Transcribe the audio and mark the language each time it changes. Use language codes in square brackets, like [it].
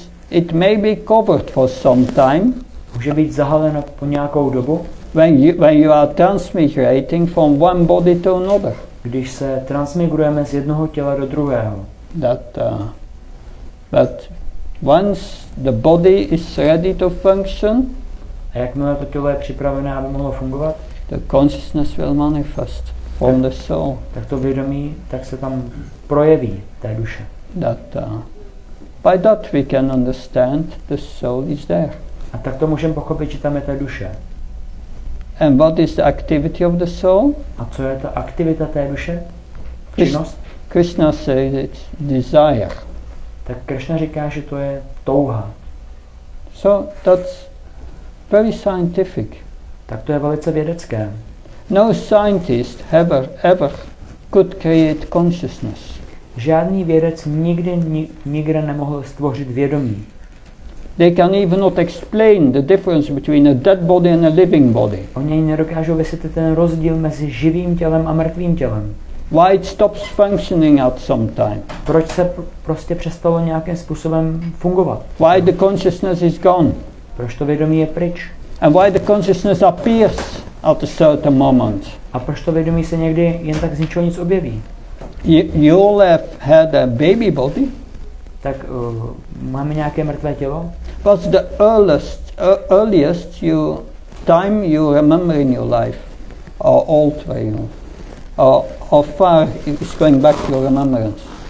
[en] It may be covered for some time. [cs] Může být zahaleno po nějakou dobu. [en] When you are transmigrating from one body to another. [cs] Když se transmigrujeme z jednoho těla do druhého. [en] But once the body is ready to function. [cs] A jakmile to tělo je připravené, aby mohlo fungovat? [en] The consciousness will manifest from the soul. [cs] Tak to vědomí, tak se tam projeví té duše. [en] By that we can understand the soul is there. [cs] A tak to můžeme pochopit, že tam je ta duše. [en] And what is the activity of the soul? [cs] A co je ta aktivita té duše? Činnost? [en] Krishna says it's desire. [cs] Tak Krishna říká, že to je touha. [en] So that's very scientific. [cs] Tak to je velice vědecké. [en] No scientist ever could create consciousness. [cs] Žádný vědec nikdy nemohl stvořit vědomí. [en] They can even not explain the difference between a dead body and a living body. [cs] Oni nedokážou vysvětlit ten rozdíl mezi živým tělem a mrtvým tělem. [en] Why it stops functioning at some time? [cs] Proč se prostě přestalo nějakým způsobem fungovat? [en] Why the consciousness is gone? [cs] Proč to vědomí je pryč? [en] And why the consciousness appears at a certain moment? [cs] A proč to vědomí se někdy jen tak z ničeho nic objeví? [en] Yolev had a baby body. [cs] Tak máme nějaké mrtvé tělo? [en] What's the earliest you time you remember in your life? Or old way? Or how far is going back to your remembrance?